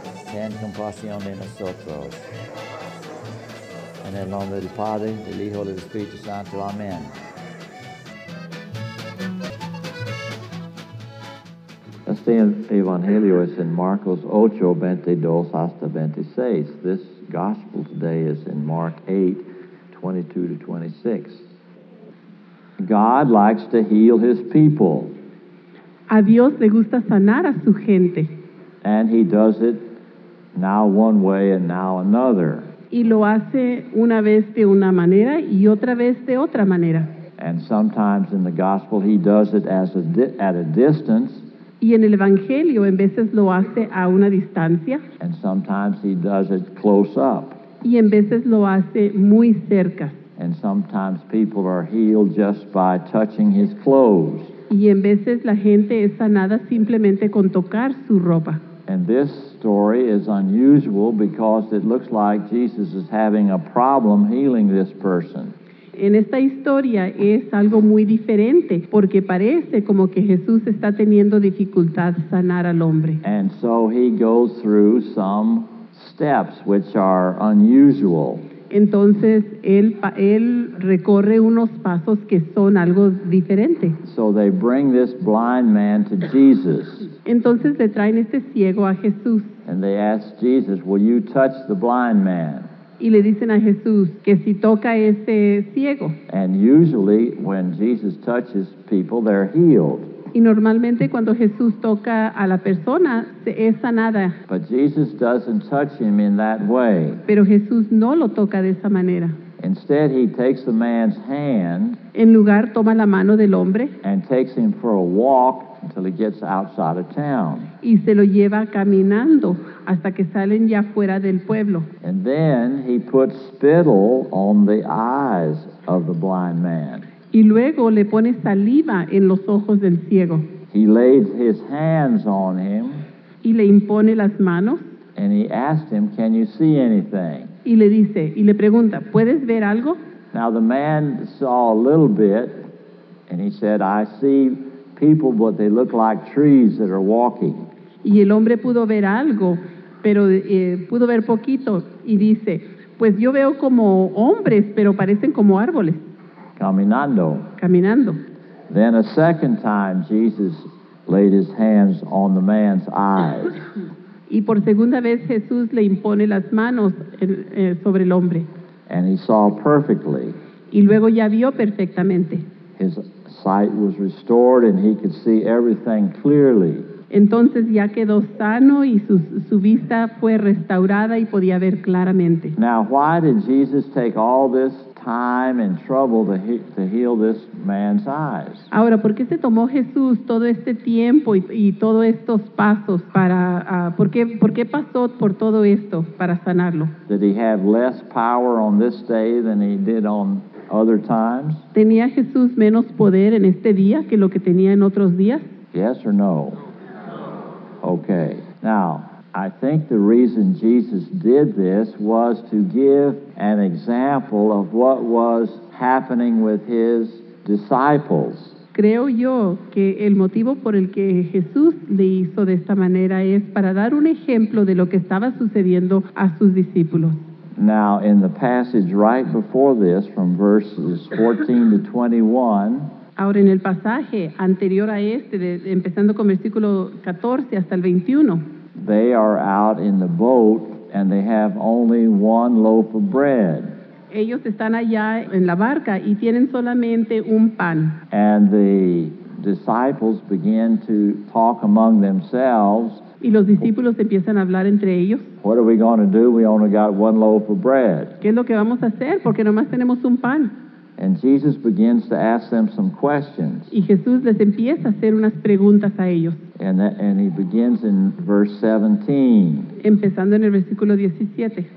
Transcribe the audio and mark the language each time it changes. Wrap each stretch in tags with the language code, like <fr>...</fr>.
<es>Ten compasión de nosotros. En el nombre del Padre, del Hijo y del Espíritu Santo. Amén. Este evangelio es en Marcos 8, 22 hasta 26.</es> <en>This gospel today is in Mark 8, 22 to 26. God likes to heal his people.</en> <es>A Dios le gusta sanar a su gente.</es> <en>And he does it now one way and now another.</en> <es>Y lo hace una vez de una manera y otra vez de otra manera.</es> <en>And sometimes in the gospel he does it as at a distance.</en> <es>Y en el evangelio en veces lo hace a una distancia.</es> <en>And sometimes he does it close up.</en> <es>Y en veces lo hace muy cerca.</es> <en>And sometimes people are healed just by touching his clothes.</en> <es>Y en veces la gente es sanada simplemente con tocar su ropa.</es> <en>And this story is unusual because it looks like Jesus is having a problem healing this person.</en> <es>En esta historia es algo muy diferente porque parece como que Jesús está teniendo dificultad sanar al hombre.</es> <en>And so he goes through some steps which are unusual.</en> <es>Entonces él recorre unos pasos que son algo diferente.</es> <en>So they bring this blind man to Jesus.</en> <es>Entonces le traen este ciego a Jesús.</es> <en>And they ask Jesus, "Will you touch the blind man?"</en> <es>Y le dicen a Jesús que si toca ese ciego.</es> <en>And usually when Jesus touches people, they're healed.</en> <es>Y normalmente cuando Jesús toca a la persona, se es sanada.</es> <en>But Jesus doesn't touch him in that way.</en> <es>Pero Jesús no lo toca de esa manera.</es> <en>Instead, he takes the man's hand.</en> <es>En lugar, toma la mano del hombre.</es> <en>And takes him for a walk until he gets outside of town.</en> <es>Y se lo lleva caminando hasta que salen ya fuera del pueblo.</es> <en>And then he puts spittle on the eyes of the blind man.</en> <es>Y luego le pone saliva en los ojos del ciego.</es> <en>He lays his hands on him.</en> <es>Y le impone las manos.</es> <en>And he asked him, "Can you see anything?"</en> <es>Y le dice, y le pregunta, ¿puedes ver algo?</es> <en>Now the man saw a little bit, and he said, "I see people, but they look like trees that are walking."</en> <es>Y el hombre pudo ver algo, pero pudo ver poquito, y dice, pues yo veo como hombres, pero parecen como árboles. Caminando. Caminando.</es> <en>Then a second time, Jesus laid his hands on the man's eyes.</en> <es>Y por segunda vez Jesús le impone las manos sobre el hombre.</es> <en>And he saw perfectly.</en> <es>Y luego ya vio perfectamente.</es> <en>His sight was restored and he could see everything clearly.</en> <es>Entonces ya quedó sano y su vista fue restaurada y podía ver claramente.</es> <en>Now, why did Jesus take all this time and trouble to heal this man's eyes?</en> <es>Ahora, ¿por qué se tomó Jesús todo este tiempo y todos estos pasos para por qué pasó por todo esto para sanarlo?</es> <en>Did he have less power on this day than he did on other times?</en> <es>¿Tenía Jesús menos poder en este día que lo que tenía en otros días?</es> <en>Yes or no? Okay. Now, I think the reason Jesus did this was to give an example of what was happening with his disciples.</en> <es>Creo yo que el motivo por el que Jesús le hizo de esta manera es para dar un ejemplo de lo que estaba sucediendo a sus discípulos.</es> <en>Now, in the passage right before this, from verses 14 to 21...</en> <es>Ahora, en el pasaje anterior a este, empezando con versículo 14 hasta el 21.</es> <en>They are out in the boat and they have only one loaf of bread.</en> <es>Ellos están allá en la barca y tienen solamente un pan.</es> <en>And the disciples begin to talk among themselves. Y los discípulos empiezan a hablar entre ellos. What are we going to do? We only got one loaf of bread.</en> <es>¿Qué es lo que vamos a hacer? Porque nomás tenemos un pan.</es> <en>And Jesus begins to ask them some questions.</en> <es>Y Jesús les empieza a hacer unas preguntas a ellos.</es> <en>And he begins in verse 17.</en> <es>Empezando en el versículo 17.</es>